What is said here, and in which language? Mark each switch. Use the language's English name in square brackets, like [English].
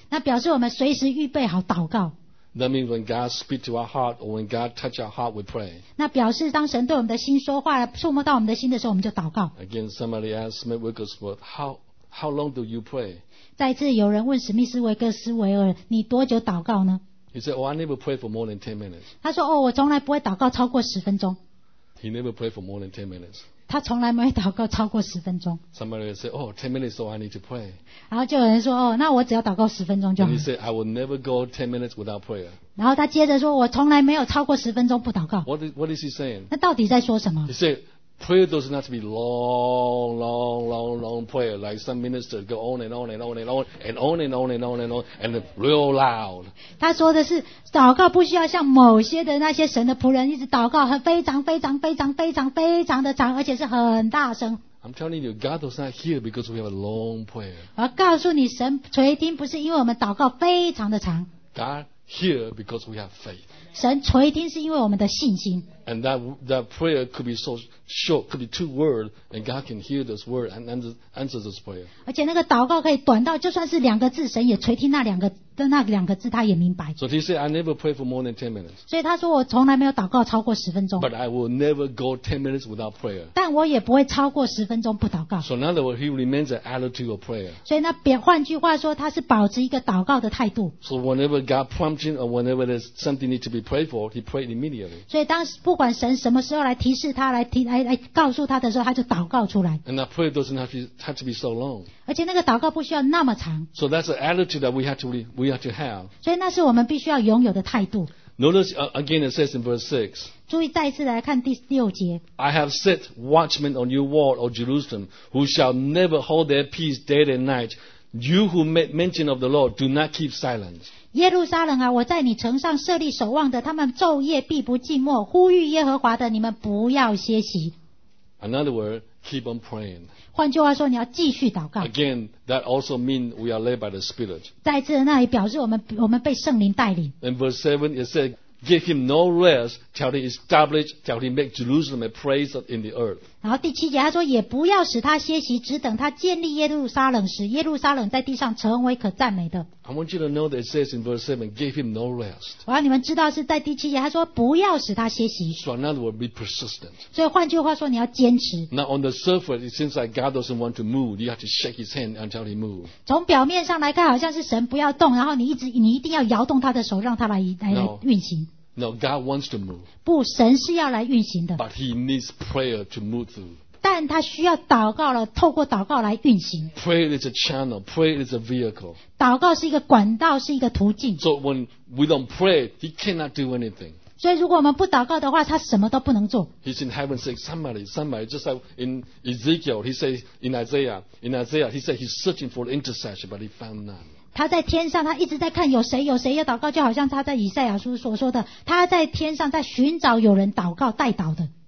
[Chinese] 那表示我们随时预备好祷告。 [English] That means when God speaks to our heart or when God touches our heart, we pray. [Chinese] 那表示当神对我们的心说话，触摸到我们的心的时候，我们就祷告。 [English] Again, somebody asked Smith Wigglesworth, how long do you pray? [Chinese] 再次有人问史密斯维格斯维尔，你多久祷告呢？ [English] He said, I never pray for more than 10 minutes. [Chinese] 他说，我从来不会祷告超过10分钟。 [English] He never prayed for more than 10 minutes. [Chinese] 他从来没有祷告超过10分钟。 [English] Somebody said, 10 minutes, so I need to pray. [Chinese] 然后就有人说，那我只要祷告10分钟就好。 [English] And he said, I will never go 10 minutes without prayer. [Chinese] 然后他接着说，我从来没有超过10分钟不祷告。 [English] What is he saying? [Chinese] 那到底在说什么？ [English] He said,Prayer does not be long, long, long, long prayer like some ministers go on and on and on and on and on and on and on and on and real loud. [Chinese] 他说的是祷告不需要像某些的那些神的仆人一直祷告非常非常非常非常非常的长，而且是很大声。 [English] I'm telling you, God does not hear because we have a long prayer. [Chinese] 我告诉你，神垂听不是因为我们祷告非常的长。 [English] God hear because we have faith. [Chinese] 神垂听是因为我们的信心。 [English] And that prayer could be so short, could be two words, and God can hear those words and answer those prayers. [Chinese] 而且那个祷告可以短到就算是两个字，神也垂听那两个字，他也明白。 [English] So he said, I never pray for more than 10 minutes. [Chinese] 所以他说我从来没有祷告超过十分钟。 [English] But I will never go 10 minutes without prayer. [Chinese] 但我也不会超过十分钟不祷告。 [English] So in other words, he remains an attitude of prayer. [Chinese] 所以那换句话说，他是保持一个祷告的态度。 [English] So whenever God prompts him or whenever there's something need to be prayed for, he prayed immediately. [Chinese] 所以当不管神什么时候来提示他，来告诉他的时候，他就祷告出来。 [English] And that prayer doesn't have to be so long. [Chinese] 而且那个祷告不需要那么长。 [English] So that's the attitude that we have to have. [Chinese] 所以那是我们必须要拥有的态度。 [English] Notice again it says in verse 6. [Chinese] 注意再次来看第六节。 [English] I have set watchmen on your wall, O Jerusalem, who shall never hold their peace day and night. You who make mention of the Lord, do not keep silence. [Chinese] 耶路撒冷啊，我在你城上设立守望的，他们昼夜必不静默，呼吁耶和华的，你们不要歇息。 [English] In other words, keep on praying. [Chinese] 换句话说，你要继续祷告。 [English] Again, that also means we are led by the Spirit. [Chinese] 再次，那也表示我们被圣灵带领。 [English] In verse 7, it said, "Give him no rest till he establish, till he make Jerusalem a praise in the earth." [Chinese] 然后第七节，他说也不要使他歇息，只等他建立耶路撒冷时，耶路撒冷在地上成为可赞美的。 [English] I want you to know that it says in verse 7, give him no rest. [Chinese] 我要你们知道是在第七节，他说不要使他歇息。 [English] So in other words, be persistent. [Chinese] 所以换句话说，你要坚持。 [English] Now on the surface, it seems like God doesn't want to move. You have to shake his hand until he moves. [Chinese] 从表面上来看，好像是神不要动，然后你一定要摇动他的手，让他来运行。 [English] No, God wants to move. [Chinese] 不，神是要来运行的。 [English] But he needs prayer to move through. [Chinese] 但他需要祷告了，透过祷告来运行。 [English] Prayer is a channel. Prayer is a vehicle. [Chinese] 祷告是一个管道，是一个途径。 [English] So when we don't pray, he cannot do anything. [Chinese] 所以如果我们不祷告的话，他什么都不能做。 [English] He's in heaven saying, somebody, just like in Ezekiel, he says in Isaiah, he said he's searching for intercession, but he found none. [Chinese] 他在天上，他一直在看有谁要祷告，就好像他在以赛亚书所说的，他在天上在寻找有人祷告代祷的，